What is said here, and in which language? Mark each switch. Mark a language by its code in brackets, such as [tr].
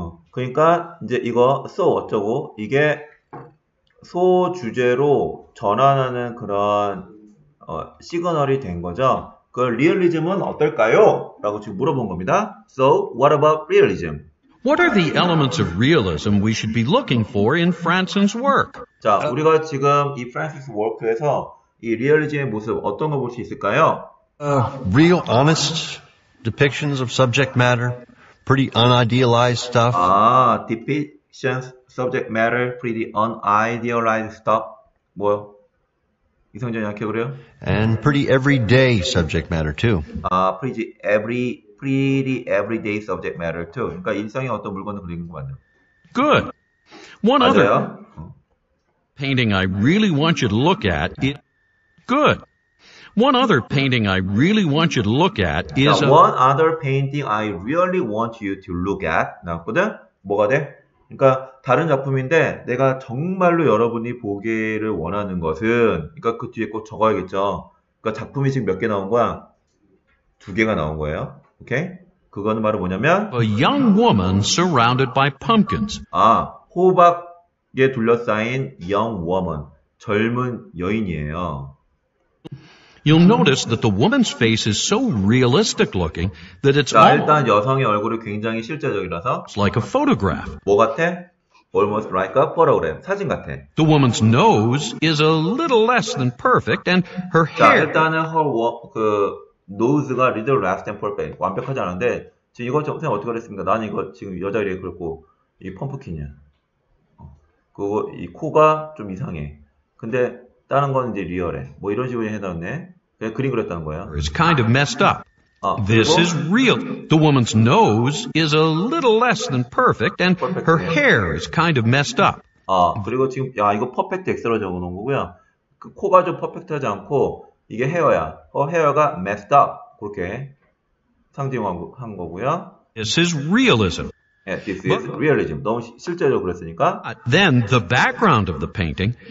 [ko] 그러니까 이제 이거 so 어쩌고 이게 소 주제로 전환하는 그런 시그널이 된 거죠. 그 리얼리즘은 어떨까요? 라고 지금 물어본 겁니다. [en] So, what about realism? What are the elements of realism we should be looking for in Franzen's work? [ko] 자, 우리가 지금 이 Franzen's work에서 이 리얼리즘의 모습 어떤 거 볼 수 있을까요? [en] Real honest depictions of subject matter, pretty unidealized stuff. Ah, depictions subject matter, pretty unidealized stuff. [ko] 뭐요? 이성전 약해 그래요? [en] And pretty everyday subject matter too. 아, pretty everyday subject matter too. [ko] 그러니까 일상의 어떤 물건을 그리는 거 맞나요? [en] Good. One [ko] 맞아요? [en] other painting I really want you to look at. It good. One other painting I really want you to look at is now, one other painting I really want you to look at. [ko] 나왔거든? 뭐가 돼? 그러니까 다른 작품인데 내가 정말로 여러분이 보기를 원하는 것은 그러니까 그 뒤에 꼭 적어야겠죠. 그러니까 작품이 지금 몇 개 나온 거야? 두 개가 나온 거예요. 오케이? 그거는 바로 뭐냐면 [en] A young woman surrounded by pumpkins. [ko] 아, 호박에 둘러싸인 [en] young woman. [ko] 젊은 여인이에요. [en] You'll notice that the woman's face is so realistic looking that it's [ko] 자, 일단 여성의 얼굴이 굉장히 실제적이라서 [en] It's like a photograph. [ko] 뭐 같아? [en] Almost like a photograph. [ko] 사진 같아. [en] The woman's nose is a little less than perfect and her hair [ko] 자, 일단은 [en] her 그 nose가 little less than perfect. [ko] 완벽하지 않은데 지금 이거 선생님 어떻게 그랬습니까? 난 이거 지금 여자 이래 그렇고 이 펌프킨이야. 그거 이 코가 좀 이상해. 근데 다른 건 이제 리얼해. 뭐 이런 식으로 해놨네. 그냥 그림 그렸다는 거야. [en] It's kind of messed up. [ko] 아, 그리고, [en] This is real. The woman's nose is a little less than perfect, and perfect her hair is kind of messed up. [ko] 아, 그리고 지금 야 이거 퍼펙트 X로 적어놓은 거고요. 그 코가 좀 퍼펙트하지 않고 이게 헤어야. 어 헤어가 [en] messed up. [ko] 그렇게 상징한 거고요. [en] This is realism. Yeah, this is realism. [ko] 너무 실제적으로 그랬으니까. [en] Then the background of the painting.